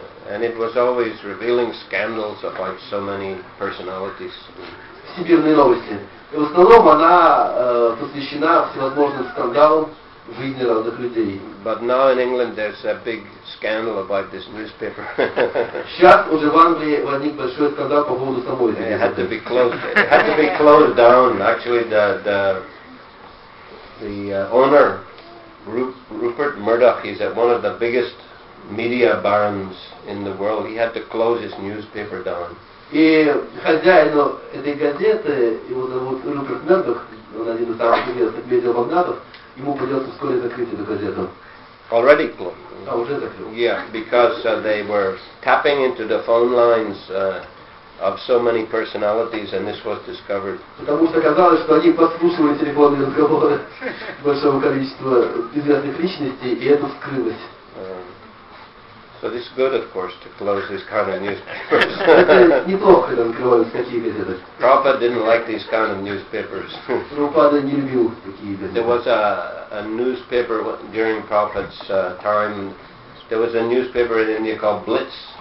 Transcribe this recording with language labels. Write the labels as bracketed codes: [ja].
[en] And it was always revealing scandals about so many personalities. [ru] Сибирные новости. И в основном она посвящена всевозможным скандалам в жизни разных людей. [en] But now in England there's a big scandal about this newspaper. [ru] Сейчас уже в Англии возник большой скандал по поводу самой газеты. [en] It had to be closed down. Actually, the owner, Rupert Murdoch, he's one of the biggest media barons in the world. He had to close his newspaper down. [ru] И хозяин этой газеты, его зовут Руперт Мердок, он один из самых известных медиамагнатов, ему придется вскоре закрыть эту газету. [en] Already closed. [ru] А, уже закрыл. [en] Yeah, because they were tapping into the phone lines of so many personalities, and this was discovered. [ru] Потому что казалось, что они подслушивали телефонные разговоры большого количества известных личностей, и это вскрылось. [en] So this is good, of course, to close these kind of newspapers. Prabhupada didn't like these kind of newspapers. There was a newspaper during Prabhupada's time. There was a newspaper in India called Blitz.